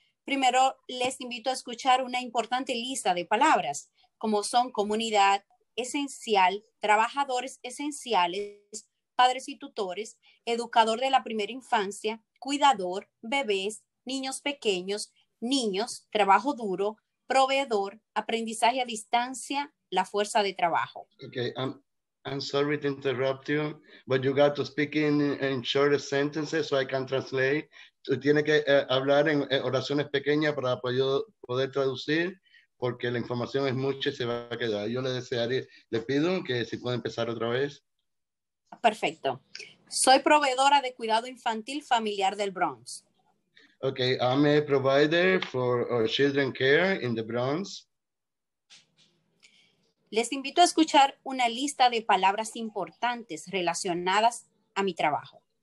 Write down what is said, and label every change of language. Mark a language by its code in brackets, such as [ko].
[es] Primero, les invito a escuchar una importante lista de palabras, como son comunidad, esencial, trabajadores esenciales, padres y tutores, educador de la primera infancia, cuidador, bebés, niños pequeños, niños, trabajo duro, proveedor, aprendizaje a distancia, la fuerza de trabajo. [en] Okay, I'm sorry to interrupt you, but you got to speak in short sentences so I can translate. [es] Tú tienes que hablar en oraciones pequeñas para poder traducir, porque la información es mucha y se va a quedar. Yo le desearía, le pido que si puede empezar otra vez. Perfecto. Soy proveedora de cuidado infantil familiar del Bronx. [en] Okay, I'm a provider for children care in the Bronx. [es] Les invito a escuchar una lista de palabras importantes relacionadas a mi trabajo.